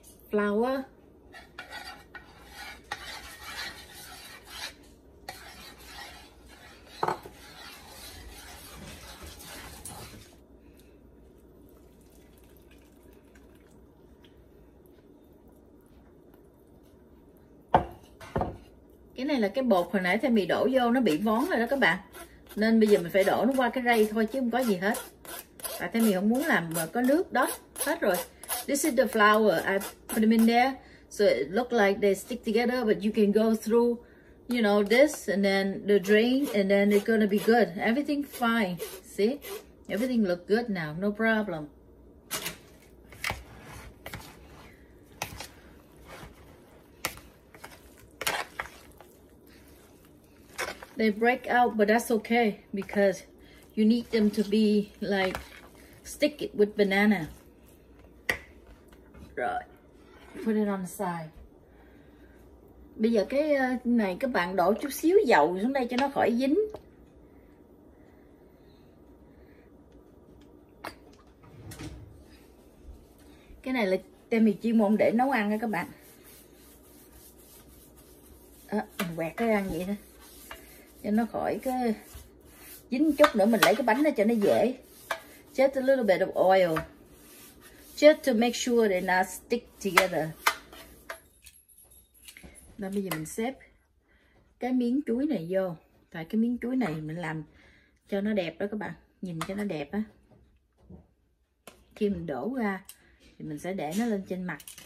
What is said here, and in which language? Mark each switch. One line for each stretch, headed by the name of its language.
Vietnamese: Flour, cái này là cái bột hồi nãy thêm mì đổ vô nó bị vón rồi đó các bạn, nên bây giờ mình phải đổ nó qua cái rây thôi chứ không có gì hết. Tại thêm mì không muốn làm mà có nước đó hết rồi.
English: This is the flour. I put them in there so it look like they stick together, but you can go through you know, this and then the drain, and then it's gonna be good. Everything fine. See? Everything look good now. No problem. They break out, but that's okay because you need them to be like stick it with banana. Right. Put it on the side.
Vietnamese: Bây giờ cái này các bạn đổ chút xíu dầu xuống đây cho nó khỏi dính. Cái này là tem mì chuyên môn để nấu ăn đó các bạn. À, mình quẹt cái ăn vậy đó. Cho nó khỏi cái dính chút nữa mình lấy cái bánh ra cho nó dễ.
English: Just a little bit of oil. Just to make sure they not stick together.
Vietnamese: Đó, bây giờ mình xếp cái miếng chuối này vô. Tại cái miếng chuối này mình làm cho nó đẹp đó các bạn. Nhìn cho nó đẹp á. Khi mình đổ ra thì mình sẽ để nó lên trên mặt.